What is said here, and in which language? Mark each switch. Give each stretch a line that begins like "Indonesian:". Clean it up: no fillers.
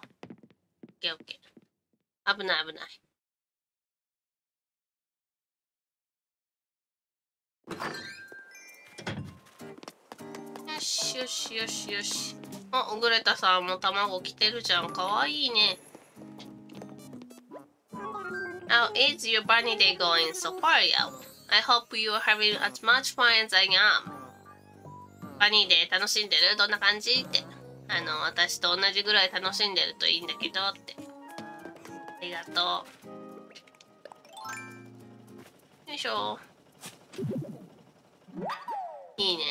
Japanese: オッケーオッケー。危ない危ない。よしよしよしよし。あ、オグレタさんも卵来てるじゃん。かわいいね。
English: How is your bunny day going so far, yo? I hope you are having as much fun as I am.
Japanese: バニーで楽しんでる？どんな感じって、あの、私と同じぐらい楽しんでるといいんだけどって。ありがとう。よいしょ。いいね。